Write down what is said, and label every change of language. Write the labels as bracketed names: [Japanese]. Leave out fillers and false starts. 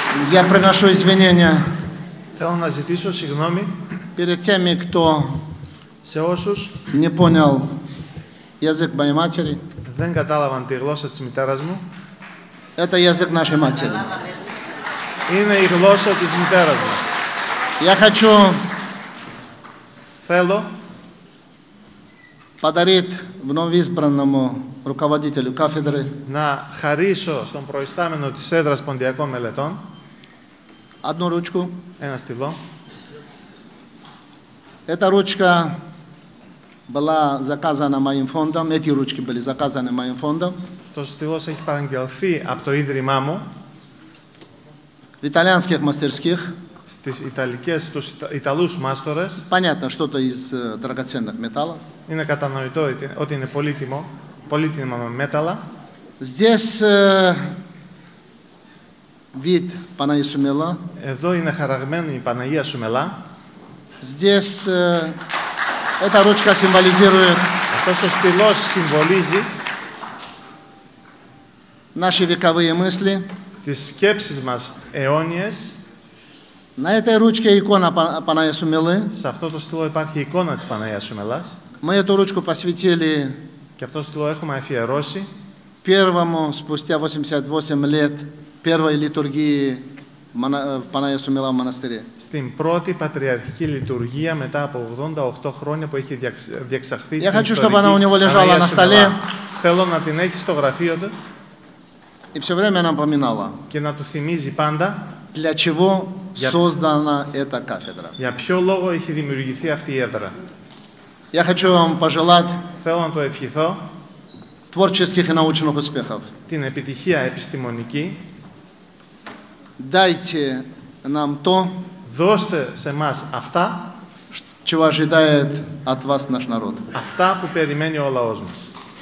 [Russian] Я приношу извинения. [Greek] Θέλω να ζητήσω συγγνώμη. [Russian] Перед теми, кто [Greek] σε όσους [Russian] не понял язык моей матери. [Greek] Δεν κατάλαβαν τη γλώσσα της μητέρας μου. [Russian] Это язык нашей матери. [Greek] Είναι η γλώσσα της μητέρας μας. [Russian] Я хочу. [Greek] Θέλω. [Russian] Подарить вновь избранному руководителю кафедры. [Greek] Να χαρίσω στον προϊστάμενο της έδρας ποντιακών μελετών. [Russian] Одну ручку. [Greek] Ένα στυλό. [Russian] Эта ручка была заказана моим фондом. Эти ручки были заказаны моим фондом. [Greek] Το στυλός έχει παραγγελθεί από το ίδρυμά μου. [Russian] В итальянских мастерских. [Greek] Στις ιταλικές, στους Ιταλούς μάστορες. [Russian] Понятно, что-то из драгоценных металлов. [Greek] Είναι κατανοητό ότι είναι πολύτιμο, πολύτιμα μέταλλα. [Russian] Здесь вид Панаи Сумела. [Greek] Εδώ είναι χαραγμένη η Παναγία Σουμελά. [Russian] Здесь эта ручка символизирует. [Greek] Αυτός ο στυλός συμβολίζει [Russian] наши вековые мысли. [Greek] Τις σκέψεις μας αιώνιες. [Russian] На этой ручке икона Панаи Сумелы. [Greek] Σε αυτό το στυλό υπάρχει εικόνα της Παναγίας Σουμελάς. [Russian] Мы эту ручку посвятили. [Greek] Και αυτό το στυλό έχουμε αφιερώσει. [Russian] Первому спустя 88 лет первой литургии Панаи Сумела в монастыре. [Greek] Στην πρώτη πατριαρχική λειτουργία μετά από 88 χρόνια που έχει διεξαχθεί. [Russian] Я хочу, чтобы она у него лежала на столе. [Greek] Θέλω να την έχει στο γραφείο του. [Russian] И все время напоминала. [Greek] Και να του θυμίζει πάντα. [Russian] Для чего создана эта кафедра. [Greek] Για ποιο λόγο έχει δημιουργηθεί αυτή η έδρα. [Russian] Я хочу вам пожелать. [Greek] Θέλω να το ευχηθώ. [Russian] Творческих и научных успехов. [Greek] Την επιτυχία επιστημονική. [Russian] Дайте нам то. [Greek] Δώστε σε μας αυτά. [Russian] Чего ожидает от вас наш народ. [Greek] Αυτά που περιμένει ο λαός μας.